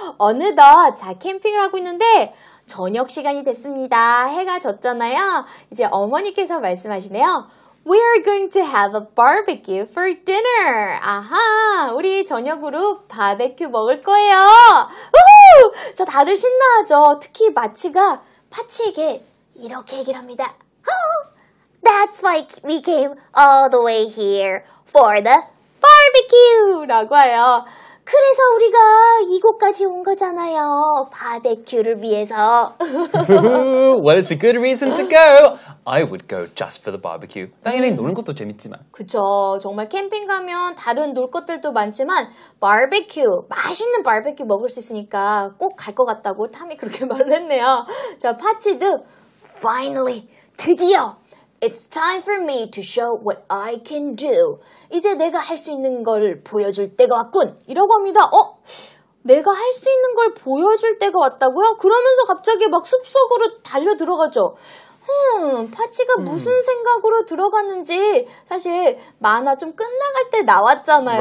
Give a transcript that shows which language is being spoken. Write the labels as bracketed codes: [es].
[ko] 어느덧 자 캠핑을 하고 있는데 저녁 시간이 됐습니다. 해가 졌잖아요. 이제 어머니께서 말씀하시네요. [en] We're going to have a barbecue for dinner. [ko] 아하, 우리 저녁으로 바베큐 먹을 거예요. 우후! 자, 다들 신나죠? 특히 마치가 파치에게 이렇게 얘기를 합니다. [en] That's why we came all the way here for the barbecue [ko] 라고 해요. 그래서 우리가 이곳까지 온 거잖아요. 바베큐를 위해서. [en] What's a good reason to go? I would go just for the barbecue. [ko] 당연히 노는 것도 재밌지만. 그쵸. 정말 캠핑 가면 다른 놀 것들도 많지만 바베큐, 맛있는 바베큐 먹을 수 있으니까 꼭 갈 것 같다고 탐이 그렇게 말을 했네요. 자, 파치도 [en] finally, 드디어 It's time for me to show what I can do. [ko] 이제 내가 할 수 있는 걸 보여줄 때가 왔군. 이라고 합니다. 어? 내가 할 수 있는 걸 보여줄 때가 왔다고요? 그러면서 갑자기 막 숲속으로 달려 들어가죠. 파치가 무슨 생각으로 들어갔는지 사실 만화 좀 끝나갈 때 나왔잖아요.